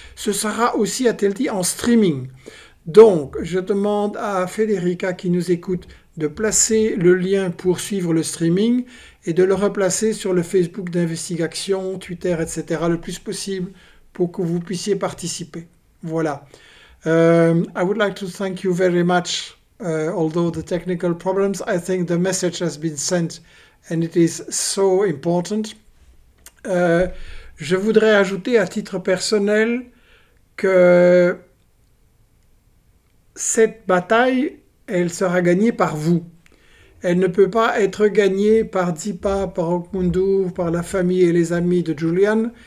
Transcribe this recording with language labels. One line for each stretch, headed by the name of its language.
French: Ce sera aussi, a-t-elle dit, en streaming. Donc, je demande à Federica qui nous écoute de placer le lien pour suivre le streaming et de le replacer sur le Facebook d'Investigation, Twitter, etc. le plus possible pour que vous puissiez participer. Voilà.
English: I would like to thank you very much. Although the technical problems, I think the message has been sent and it is so important.
French: Je voudrais ajouter à titre personnel que cette bataille, elle sera gagnée par vous. Elle ne peut pas être gagnée par Dipa, par Okmundu, par la famille et les amis de Julian.